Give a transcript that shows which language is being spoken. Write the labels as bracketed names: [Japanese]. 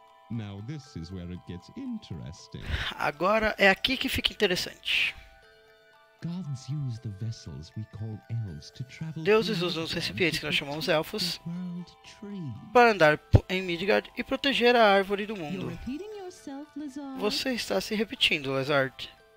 [English] Now this is where it gets interesting. [Portuguese] Agora é aqui que fica interessante. [English] Gods use the vessels we call elves to travel. [Portuguese] Deuses usam os recipientes que nós chamamos elfos para andar em Midgard e proteger a árvore do mundo. Você está se repetindo, Lazard.